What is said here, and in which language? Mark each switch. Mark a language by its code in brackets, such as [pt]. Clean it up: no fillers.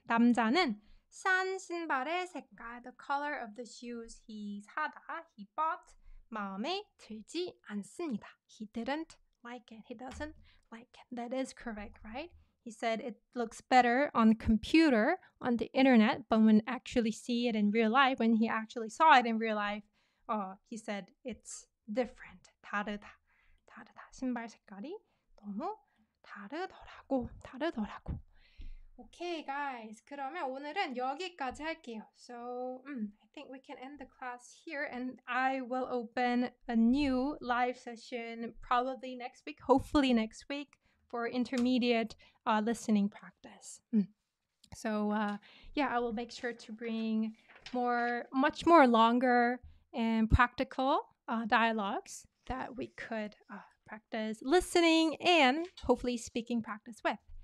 [ko] 남자는 산 신발의 색깔, [en] the color of the shoes he 사다, he bought, [ko] 마음에 들지 않습니다. [en] He didn't like it. He doesn't like it. That is correct, right? He said it looks better on the computer, on the internet, but when actually see it in real life, when he actually saw it in real life, he said it's different. [ko] 다르다. 다르다. 신발 색깔이 너무 다르더라고. 다르더라고. [en] Okay, guys. [ko] 그러면 오늘은 여기까지 할게요. [en] So, I think we can end the class here, and I will open a new live session probably next week, hopefully next week. For intermediate listening practice. So yeah, I will make sure to bring much more longer and practical dialogues that we could practice listening and hopefully speaking practice with.